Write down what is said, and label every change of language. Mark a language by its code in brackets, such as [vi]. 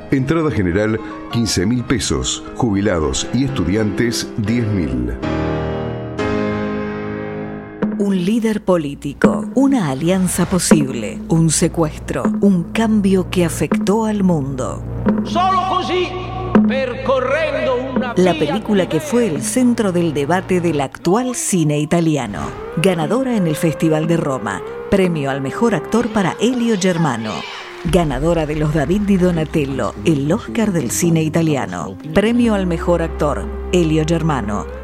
[es] Entrada general, 15.000 pesos. Jubilados y estudiantes, 10.000. Un líder político, una alianza posible, un secuestro, un cambio que afectó al mundo. [it] Solo così, percorrendo una. [es] La película que fue el centro del debate del actual cine italiano, ganadora en el Festival de Roma, premio al mejor actor para Elio Germano. Ganadora de los David di Donatello, el Oscar del cine italiano, premio al mejor actor, Elio Germano.